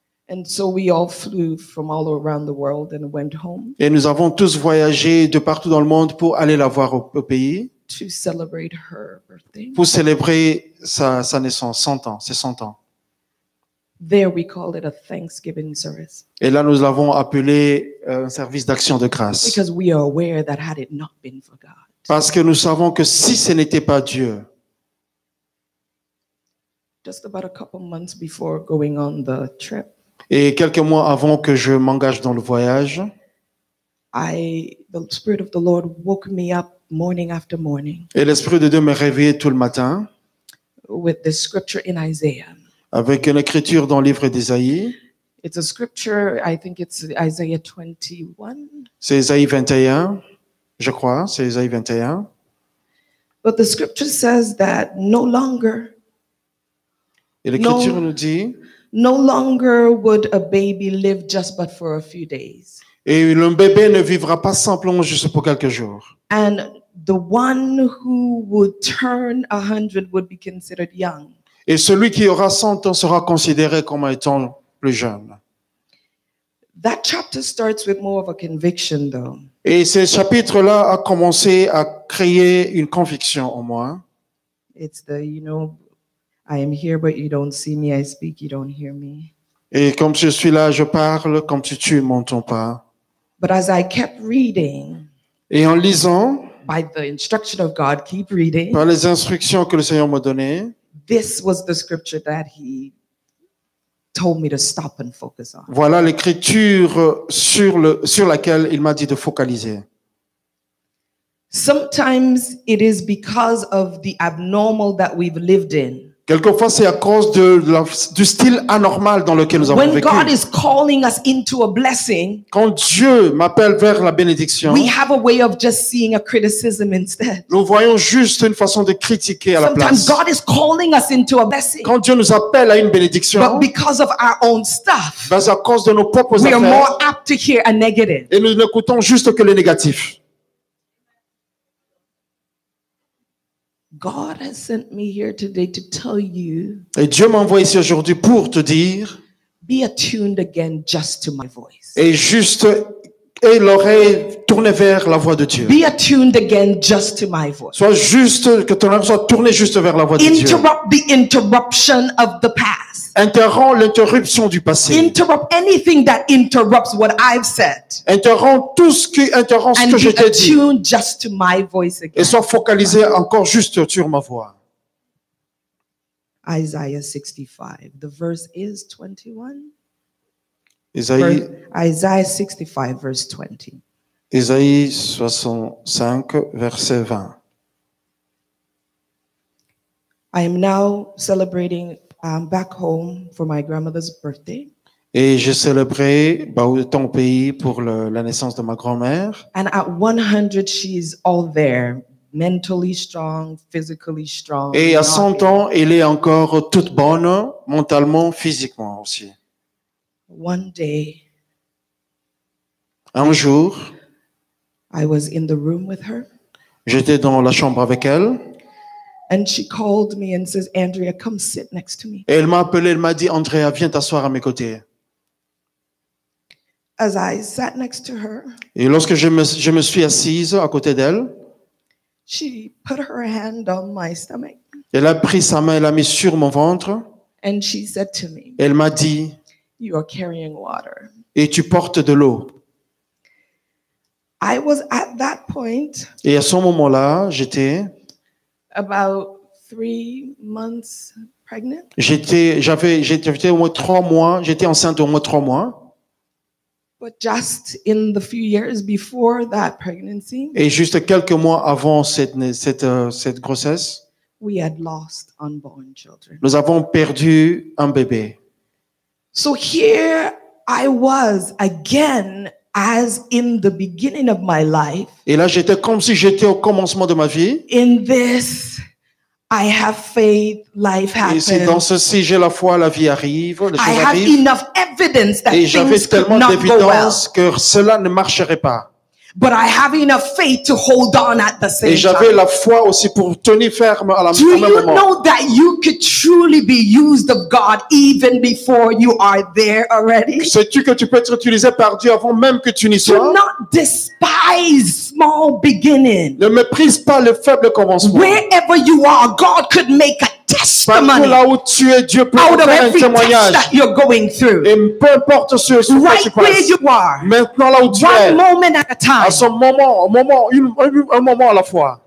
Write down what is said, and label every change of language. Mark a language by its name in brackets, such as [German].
[English] And so we all flew from all around the world and went home. [French] Et nous avons tous voyagé de partout dans le monde pour aller la voir au pays. [English] To celebrate her birthday. [French] Pour célébrer sa naissance, 100 ans, ses 100 ans. [English] There we called it a Thanksgiving service. [French] Et là, nous l'avons appelé un service d'action de grâce. [English] Because we are aware that had it not been for God. [French] Parce que nous savons que si ce n'était pas Dieu. [English] Just about a couple months before going on the trip. [French] Et quelques mois avant que je m'engage dans le voyage. [English] The Spirit of the Lord woke me up morning after morning. [French] Et l'Esprit de Dieu me réveillait tout le matin. [English] With the scripture in Isaiah. [French] Avec une écriture dans le livre d'Isaïe. [English] It's a scripture, I think it's Isaiah 21. [French] C'est Isaïe 21, je crois, c'est Isaïe 21. [English] But the scripture says that no longer. [French] Et l'écriture nous dit. [English] No longer would a baby live just but for a few days. [French] Et un bébé ne vivra pas simplement juste pour quelques jours. [English] And the one who would turn 100 would be considered young. [French] Et celui qui aura 100 ans sera considéré comme étant plus jeune. [English] That chapter starts with more of a conviction, though. [French] Et ce chapitre-là a commencé à créer une conviction en moi. [English] It's the, you know, I am here, but you don't see me. I speak, you don't hear me. [French] Et comme je suis là, je parle, comme si tu ne m'entends pas. [English] But as I kept reading, [French] et en lisant, [English] by the instruction of God, keep reading, [French] par les instructions que le Seigneur m'a données, [English] this was the scripture that he told me to stop and focus on. [French] Voilà l'écriture sur laquelle il m'a dit de focaliser. [English] Sometimes it is because of the abnormal that we've lived in. [French] Quelquefois c'est à cause du style anormal dans lequel nous avons [English] when [French] vécu. [English] When God is calling us into a blessing, [French] quand Dieu m'appelle vers la bénédiction, [English] we have a way of just seeing a criticism instead. [French] Nous voyons juste une façon de critiquer à [English] sometimes [French] la place. [English] God is calling us into a blessing, [French] quand Dieu nous appelle à une bénédiction, [English] but because of our own stuff, [French] mais à cause de nos propres [English] we [French] affaires, [English] are more apt to hear a negative. [French] Et nous n'écoutons juste que le négatif. [English] God has sent me here today to tell you. [French] Et Dieu m'a envoyé ici aujourd'hui pour te dire. [English] Be attuned again just to my voice. [French] Et juste aie l'oreille tournée vers la voix de Dieu. [English] Be attuned again just to my voice. [French] Sois juste que ton oreille soit tournée juste vers la voix de [English] interrupt [French] Dieu. [English] Interrupt the interruption of the past. [French] Interromps l'interruption du passé. [English] Interrupt anything that interrupts what I've said. [French] Interromps tout ce qui interrompt ce [English] and [French] que je t'ai dit. [English] And attune just to my voice again. [French] Et sois focalisé encore juste sur ma voix. [English] Isaiah 65. The verse is 21. Isaiah 65 verse 20. [French] Isaïe 65 verset 20. [English] I am now celebrating back home for my grandmother's birthday. [French] Et je célébrais ton pays pour la naissance de ma grand-mère. [English] And at 100, she's all there, mentally strong, physically strong. [French] Et à 100 ans, elle est encore toute bonne, mentalement, physiquement aussi. [English] One day. [French] Un jour. [English] I was in the room with her. [French] J'étais dans la chambre avec elle. [English] And she called me and says, Andrea, come sit next to me. [French] Et elle m'a appelé, elle m'a dit, Andrea, viens t'asseoir à mes côtés. [English] As I sat next to her, [French] et lorsque je me suis assise à côté d'elle, [English] she put her hand on my stomach. [French] Elle a pris sa main et l'a mise sur mon ventre. [English] And she said to me, [French] elle m'a dit, [English] you are carrying water. [French] Et tu portes de l'eau. [English] I was at that point, [French] et à ce moment-là, j'étais [English] about 3 months pregnant. [French] J'étais au moins 3 mois, j'étais enceinte au moins 3 mois. [English] But just in the few years before that pregnancy, [French] et juste quelques mois avant cette grossesse, [English] we had lost unborn children. [French] Nous avons perdu un bébé. [English] So here I was again, as in the beginning of my life. [French] Et là, j'étais comme si j'étais au commencement de ma vie. [English] In this, I have faith, life happens. [French] Et c'est dans ceci, j'ai la foi, la vie arrive, les choses arrivent. [English] I have enough evidence that things could not go well. [French] Et j'avais tellement d'évidence que cela ne marcherait pas. [English] But I have enough faith to hold on at the same time. [French] Et j'avais la foi aussi pour tenir ferme à la même moment. [English] Do you know that you could truly be used of God even before you are there already? [French] Sais-tu que tu peux être utilisé par Dieu avant même que tu n'y sois? [English] Do not despise small beginnings. [French] Ne méprise pas le faible commencement. [English] Wherever you are, God could make a testimony. [French] Là où tu es, Dieu peut faire un témoignage. [English] That you're going through. [French] Et peu importe ce [English] right [French] que tu passes. [English] Where you are, [French] maintenant là où tu [English] one [French] es. [English] Moment at a time, [French] à ce moment, un moment à la fois.